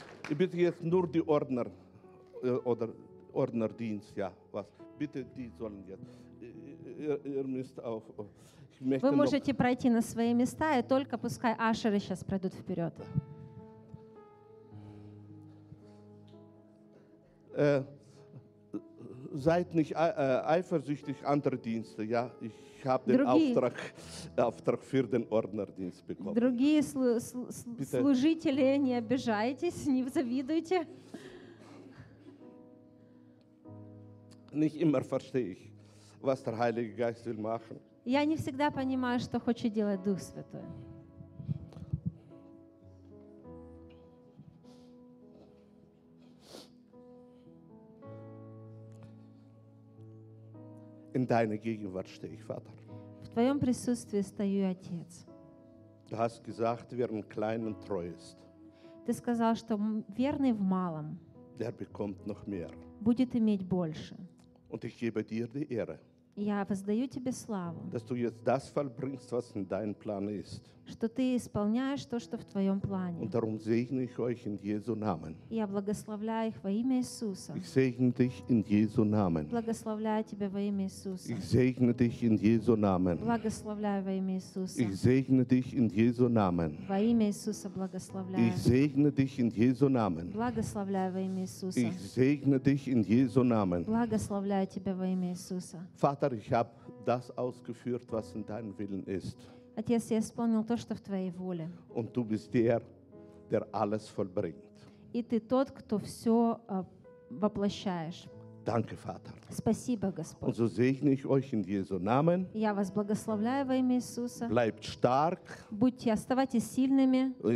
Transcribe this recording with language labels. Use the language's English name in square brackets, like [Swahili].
[German] Ich bitte jetzt nur die Ordner oder Ordnerdienst, ja, was? Bitte, die sollen jetzt. Ihr müsst auf. [Russian] Вы можете пройти на свои места, и только пускай ашеры сейчас пройдут вперед. [German] Seid nicht eifersüchtig andere Dienste, ja? Ich habe den Auftrag für den Ordnerdienst bekommen. [Russian] Другие служители, не обижайтесь, не завидуйте. [German] Nicht immer verstehe ich, was der Heilige Geist will machen. [Russian] Я не всегда понимаю, что хочет делать Дух Святой. [German] In deiner Gegenwart stehe ich, Vater. [Russian] В твоем присутствии стою, Отец. [German] Du hast gesagt, wer im Kleinen treu ist. [Russian] Ты сказал, что верный в малом. [German] Der bekommt noch mehr. [Russian] Будет иметь больше. [German] Und ich gebe dir die Ehre. [Russian] Я воздаю тебе славу, [German] dass du jetzt das vollbringst, was in deinem Plan ist. [Russian] Что ты исполняешь то, что в твоем плане. [German] Und darum segne ich euch in Jesu Namen. [Russian] Я благословляю их во имя Иисуса. [German] Ich segne dich in Jesu Namen. [Russian] Благословляю тебя во имя Иисуса. [German] Ich segne dich in Jesu Namen. [Russian] Благословляю во имя Иисуса. [German] Ich segne dich in Jesu Namen. [Russian] Во имя Иисуса благословляю. [German] Ich segne dich in Jesu Namen. [Russian] Благословляю во имя Иисуса. [German] Ich segne dich in Jesu Namen. [Russian] Благословляю тебя во имя Иисуса. [German] Vater, ich habe das ausgeführt, was in deinem Willen ist. [Russian] Отец, я исполнил то, что в твоей воле. [German] Und du bist der, der alles vollbringt. [Russian] И ты тот, кто все воплощаешь. [German] Danke, Vater. [Russian] Спасибо, Господь. [German] Und so segne ich euch in Jesu Namen. [Russian] Я вас благословляю во имя Иисуса. [German] Bleibt stark. [Russian] Будьте, оставайтесь сильными.